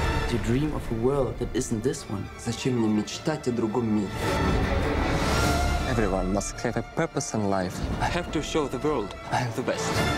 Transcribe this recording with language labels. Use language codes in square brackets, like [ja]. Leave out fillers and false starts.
[en] To dream of a world that isn't this one. [ru] Зачем мне мечтать о другом мире? [en] Everyone must have a purpose in life. I have to show the world I am the best.